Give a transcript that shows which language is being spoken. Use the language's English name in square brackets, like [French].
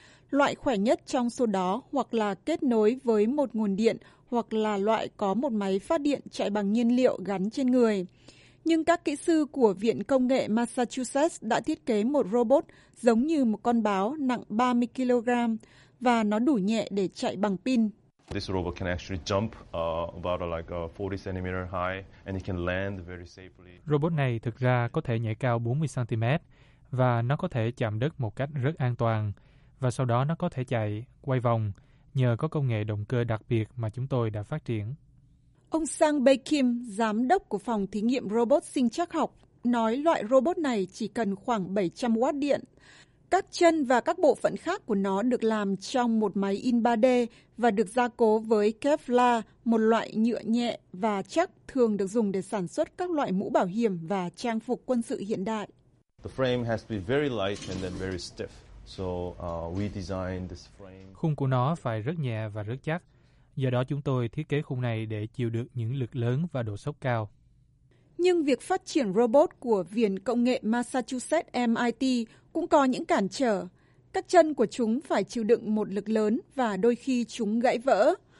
[Vietnamese] Loại khỏe nhất trong số đó hoặc là kết nối với một nguồn điện hoặc là loại có một máy phát điện chạy bằng nhiên liệu gắn trên người. Nhưng các kỹ sư của Viện Công nghệ Massachusetts đã thiết kế một robot giống như một con báo nặng 30 kg và nó đủ nhẹ để chạy bằng pin. [English] This robot can actually jump about like 40 cm high and it can land very safely. [Vietnamese] Robot này thực ra có thể nhảy cao 40 cm và nó có thể chạm đất một cách rất an toàn và sau đó nó có thể chạy quay vòng nhờ có công nghệ động cơ đặc biệt mà chúng tôi đã phát triển. Ông Sang Bae Kim, giám đốc của phòng thí nghiệm robot sinh trắc học, nói loại robot này chỉ cần khoảng 700 W điện. Các chân và các bộ phận khác của nó được làm trong một máy in 3D và được gia cố với Kevlar, một loại nhựa nhẹ và chắc thường được dùng để sản xuất các loại mũ bảo hiểm và trang phục quân sự hiện đại. [English] The frame has to be very light and then very stiff. So we designed this frame. [Vietnamese] Khung của nó phải rất nhẹ và rất chắc. Do đó chúng tôi thiết kế khung này để chịu được những lực lớn và độ sốc cao. Nhưng việc phát triển robot của Viện Công nghệ Massachusetts MIT cũng có những cản trở. Các chân của chúng phải chịu đựng một lực lớn và đôi khi chúng gãy vỡ.